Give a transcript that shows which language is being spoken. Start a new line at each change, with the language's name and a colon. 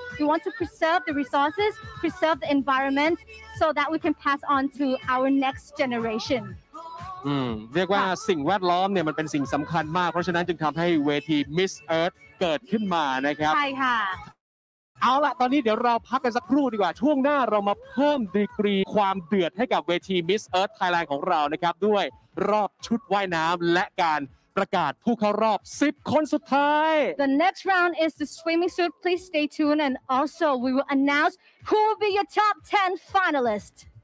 English: We want to preserve the resources, preserve the environment so that we can pass on to our next generation.
Thai: เรียกว่าสิ่งแวดล้อมเนี่ยมันเป็นสิ่งสำคัญมากเพราะฉะนั้นจึงทำให้เวที Miss Earth เกิดขึ้นมานะครับ ใช่ค่ะ เอาล่ะตอนนี้เดี๋ยวเราพักกันสักครู่ดีกว่าช่วงหน้าเรามาเพิ่มดีกรีความเดือดให้กับเวที Miss Earth Thailand ของเรานะครับด้วยรอบชุดว่ายน้ำและการประกาศผู้เข้ารอบ10คนสุดท้าย
English: The next round is the swimming suit please stay tuned and also we will announce who will be your top 10 finalists